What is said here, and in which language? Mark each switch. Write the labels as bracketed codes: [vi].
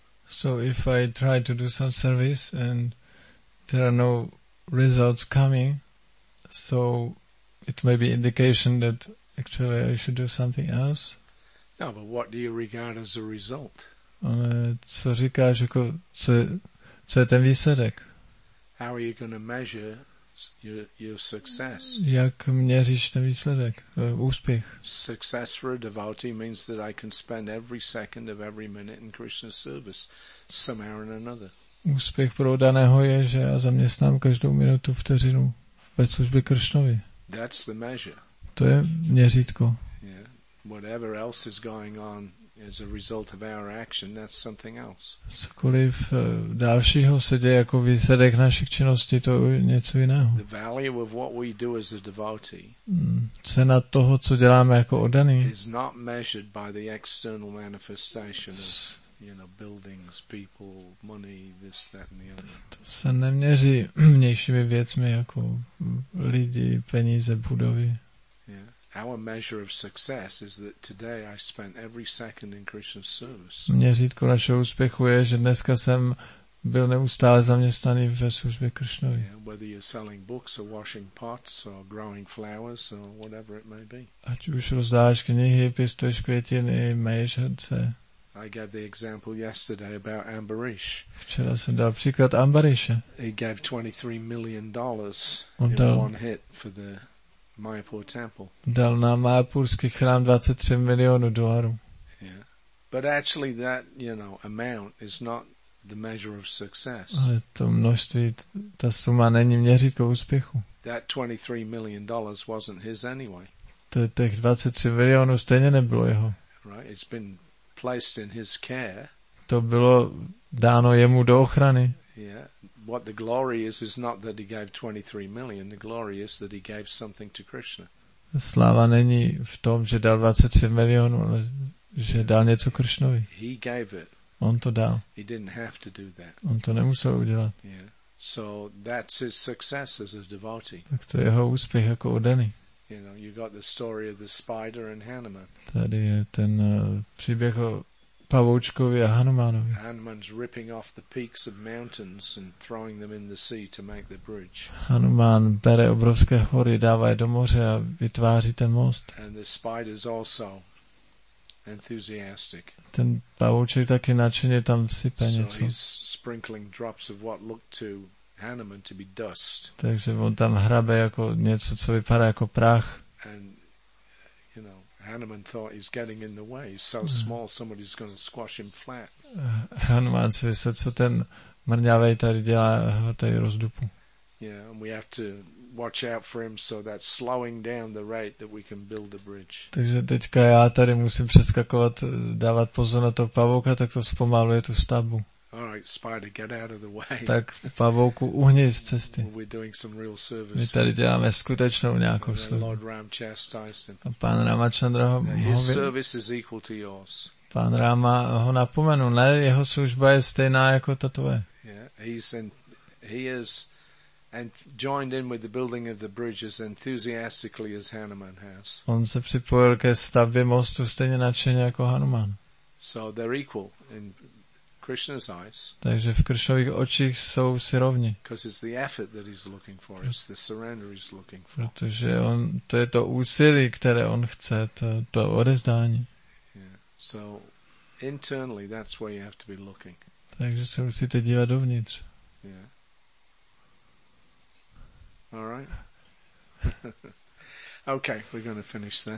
[en] So if I try to do some service and there are no results coming, so it may be indication that actually I should do something else. No, but what do you regard as a result? [cs] Co říkáš, jako co je ten výsledek? [en] How are you going to measure your success? [cs] Jak měříš ten výsledek, úspěch? [en] Success for a devotee means that I can spend every second of every minute in Krishna's service, somehow or another. [cs] Úspěch pro daného je, že já zaměstnám každou minutu, vteřinu ve službě Krishnovi. [en] That's the measure. [cs] To je měřítko. [en] Yeah. Whatever else is going on as a result of our action, that's something else. [cs] Cokoliv dalšího se děje jako výsledek našich činností, to je něco jiného. [en] The value of what we do as a devotee. [cs] Cena toho, co děláme jako oddaný. [en] Is not measured by the external manifestation of, you know, buildings, people, money, this, that, and the other. [cs] To se neměří vnějšími věcmi jako lidi, peníze, budovy. [en] Our measure of success is that today I spent every second in Krishna's service. [cs] Měřítko našeho úspěchu je, že dneska jsem byl neustále zaměstnaný ve službě Kršnovi. [en] Whether you're selling books or washing pots or growing flowers or whatever it may be. [cs] Ať už rozdáš knihy, pěstuješ květiny, meješ hrnce. [en] I gave the example yesterday about Ambarish. [cs] Včera jsem dal příklad Ambarisha. [en] He gave $23 million in one hit for the Mayapur temple. [cs] Dal na Mayapurský chrám 23 milionů dolarů. [en] Yeah. But actually that, you know, amount is not the measure of success. [cs] Ale to množství, ta suma není měřítko úspěchu. [en] That $23 million wasn't his anyway. [cs] Těch 23 milionů stejně nebylo jeho. [en] Right, it's been placed in his care. [cs] To bylo dáno jemu do ochrany. [en] Yeah. What the glory is not that he gave 23 million, the glory is that he gave something to Krishna. [cs] Sláva není v tom, že dal 23 milionů, ale že dal něco Kršnovi. [en] He gave it. [cs] On to dal. [en] He didn't have to do that. [cs] On to nemusel udělat. [en] Yeah. So that's his success as a devotee. [cs] Tak to je jeho úspěch jako oddaný. [en] You know, you got the story of the spider and Hanuman. [cs] Tady je ten příběh o pavoučkovi a Hanumanovi. [en] Hanuman's ripping off the peaks of mountains and throwing them in the sea to make the bridge. [cs] Hanuman bere obrovské hory, dává je do moře a vytváří ten most. [en] And the spider's also enthusiastic. [cs] Ten pavouček taky nadšeně tam sype něco. [en] So he's sprinkling drops of what looked to Hanuman to be dust. [cs] Takže on tam hrabe jako něco, co vypadá jako prach. [en] And, you know, Hanuman thought he's getting in the way. He's so small, somebody's going to squash him flat. [cs] Hanuman si myslel, co ten mrňavej tady dělá, tady rozdupu. [en] Yeah, and we have to watch out for him so that slowing down the rate that we can build the bridge. [cs] Takže teďka já tady musím přeskakovat, dávat pozor na toho pavouka, tak to zpomaluje tu stavbu. [en] All right, spider, get out of the way. [cs] Tak pavouku uhni z cesty. [en] We're doing some real service. [cs] My tady děláme skutečnou nějakou službu. [en] Lord Ram chastised him. [cs] A pán Rama Chandra ho [en] his service is equal to yours. [cs] Pán Rama ho napomenul, ne, jeho služba je stejná jako ta tvoje. [en] Yeah, he is joined in with the building of the bridge as enthusiastically as Hanuman has. [cs] On se připojil ke stavbě mostu stejně nadšeně jako Hanuman. [en] So they're equal in Krishna's eyes. [cs] Takže v Kršových očích jsou si rovni. [en] Because it's the effort that he's looking for, it's the surrender he's looking for. [cs] Protože on, to je to úsilí, které on chce, to odezdání. [en] Yeah. So internally that's where you have to be looking. [cs] Takže se musíte dívat dovnitř. [en] Yeah. All right. Okay, we're going to finish there.